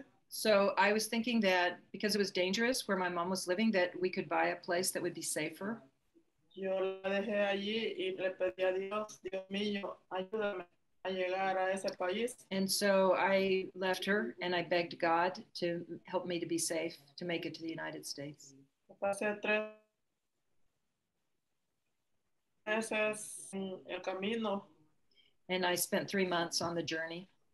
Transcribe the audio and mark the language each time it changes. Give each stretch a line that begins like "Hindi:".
English: So I was thinking that because it was dangerous where my mom was living, that we could buy a place that would be safer.
Spanish: Yo la dejé allí y le pedí a Dios, Dios mío, ayúdame a llegar a ese país.
English: And so I left her and I begged God to help me to be safe, to make it to the United States. Pasé tres meses en el camino. And I spent 3 months on the journey.